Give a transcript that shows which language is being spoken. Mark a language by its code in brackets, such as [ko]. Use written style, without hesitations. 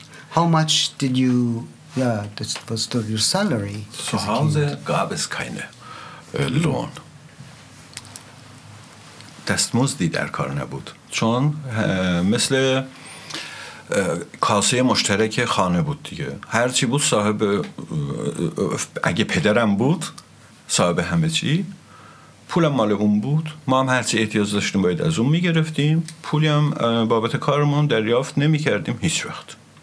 [en] How much did you, yeah, that was your salary? [de] Zu Hause gab es keine Lohn. [fa] دستمزد در کار نبود. چون مثل کاسه مشترک خانه بود دیگه، هر چی بود صاحب، اگه پدرم بود صاحب همه چی، پولم مال اون بود، ما هم هر چی احتیاج داشتیم باید از اون میگرفتیم، پولی هم بابت کارمون دریافت نمی کردیم هیچ وقت.